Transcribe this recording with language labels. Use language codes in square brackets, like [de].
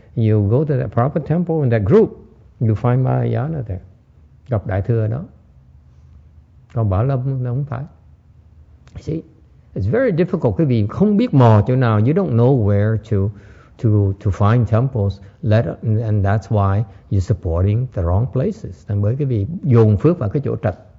[en] You go to that proper temple in that group, you find Mahayana there, [vi] gặp đại thừa đó. Còn Bảo Lâm nó không phải. [en] See, it's very difficult, [vi] quý vị không biết mò chỗ nào. [en] You don't know where to find temples. And that's why you're supporting the wrong places. [vi] Thành bởi quý vị dồn phước vào cái chỗ trật.